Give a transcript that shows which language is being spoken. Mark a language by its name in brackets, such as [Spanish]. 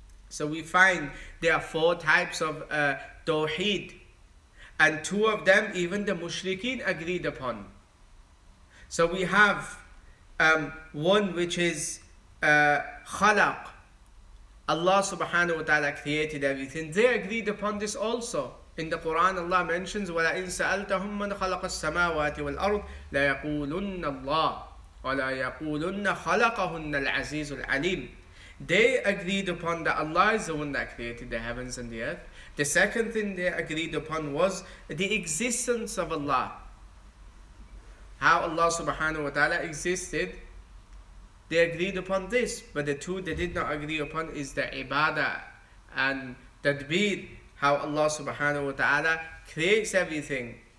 [English] So we find there are four types of tawheed, and two of them even the mushrikeen agreed upon. So we have one which is khalaq. Allah subhanahu wa ta'ala created everything. They agreed upon this also. In the Quran, Allah mentions, [Arabic] وَلَئِن سَأَلْتَهُمْ مَنْ خَلَقَ السَّمَاوَاتِ وَالْأَرْضِ لَيَقُولُنَّ اللَّهِ وَلَا يَقُولُنَّ خَلَقَهُنَّ الْعَزِيزُ الْعَلِيمُ. [English] They agreed upon that Allah is the one that created the heavens and the earth. The second thing they agreed upon was the existence of Allah. How Allah subhanahu wa ta'ala existed, they agreed upon this. But the two they did not agree upon is the ibadah and tadbir, how Allah subhanahu wa ta'ala creates everything.